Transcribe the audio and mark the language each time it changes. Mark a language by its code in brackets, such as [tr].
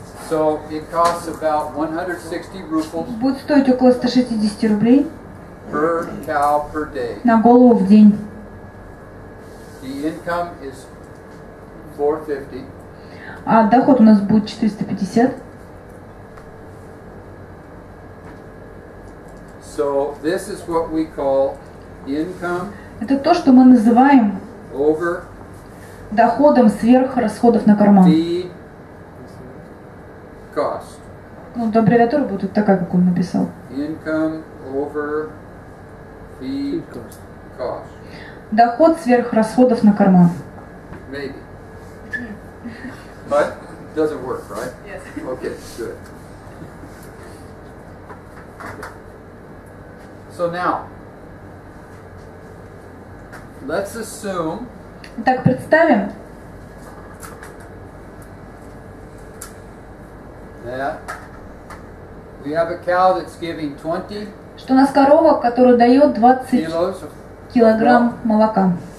[en] So it costs about 160 rubles. [ru] Будет стоить около 160 рублей. [en] Per cow per day. [ru] На голову в день. [en] The income is 450. [ru] А доход у нас будет 450. [en] So this is what we call income. [ru] Это то, что мы называем [en] over [ru] доходом сверх расходов на корма. [en] Cost. [ru] Ну, до аббревиатуры будет такая, как он написал. [en] Income over feed cost. [ru] Доход сверх расходов на корма. [en] Maybe. But it doesn't work, right? Yes. Okay, good. So now, let's assume. [ru] Так представим. [en] That we have a cow that's giving 20. [ru] Что у нас корова, которая дает 20 килограмм молока.